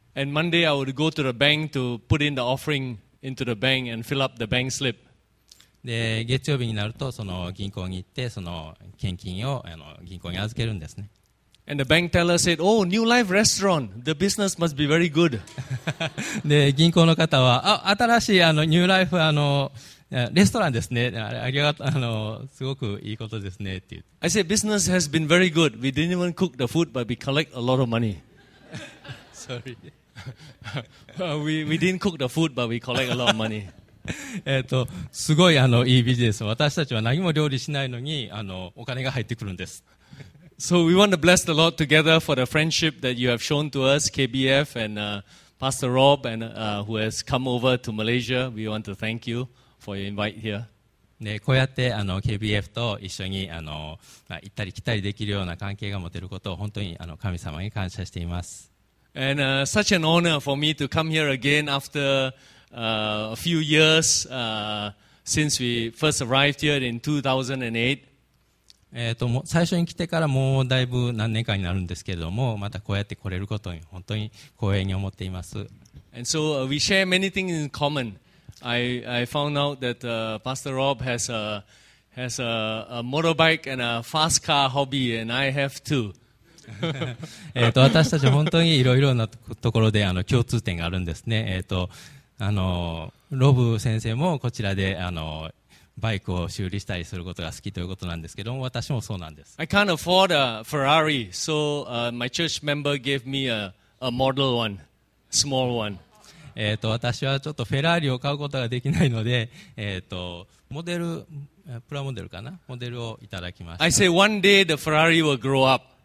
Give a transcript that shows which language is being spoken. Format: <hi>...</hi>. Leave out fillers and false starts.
<en>And Monday I would go to the bank to put in the offering into the bank and fill up the bank slip.</en> <ja>で月曜日になるとその銀行に行ってその献金を銀行に預けるんですね。</ja> <en>And the bank teller said, "Oh, New Life Restaurant, the business must be very good."</en> <ja>で銀行の方は、あ、新しいニューライフレストランですね。ありがとう、すごくいいことですねって言って。</ja> <en>I said, "Business has been very good. We didn't even cook the food, but we collect a lot of money." Sorry. we didn't cook the food, but we collect a lot of money.</en> <ja>すごいいいビジネス。私たちは何も料理しないのにお金が入ってくるんです。</ja> <en>So we want to bless the Lord together for the friendship that you have shown to us, KBF and Pastor Rob and who has come over to Malaysia. We want to thank you for your invite here.</en> <ja>ね、こうやってKBF と一緒に行ったり来たりできるような関係が持てることを本当に神様に感謝しています。</ja> <en>And such an honor for me to come here again after. A few years since we first arrived here in 2008.</en> <ja>最初に来てからもうだいぶ何年かになるんですけれども、またこうやって来れることに本当に光栄に思っています。</ja> <en>And so we share many things in common. I found out that Pastor Rob has a motorbike and a fast car hobby, and I have too.</en> <ja>私たち本当にいろいろなところで共通点があるんですね。ロブ先生もこちらでバイクを修理したりすることが好きということなんですけども、私もそうなんです。</ja> <en>I can't afford a Ferrari, so my church member gave me a model one, small one.</en> <ja>私はちょっとフェラーリを買うことができないので、モデル、プラモデルかな、モデルをいただきました。</ja> <en>I say one day the Ferrari will grow up.</en>